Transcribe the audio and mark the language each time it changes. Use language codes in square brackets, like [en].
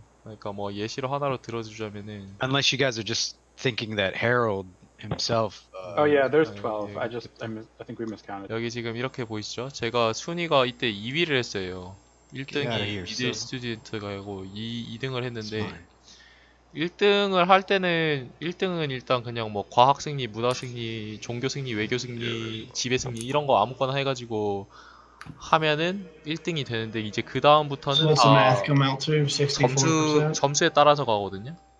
[ko] 그러니까 뭐 예시로 하나로 들어주자면은. [en] Unless you guys are just thinking that Harold himself. Oh yeah, there's 12. Yeah. I think we miscounted. [ko] 여기 지금 이렇게 보이시죠? 제가 순위가 이때 2위를 했어요. 1등이 미들 스튜디언트가 되고 2등을 했는데. 1등을 할 때는 1등은 일단 그냥 뭐 과학 승리, 문화 승리, 종교 승리, 외교 승리, 지배 승리 이런 거 아무거나 해가지고 하면은 1등이 되는데 이제 그 다음부터는 다 점수에 따라서 가거든요.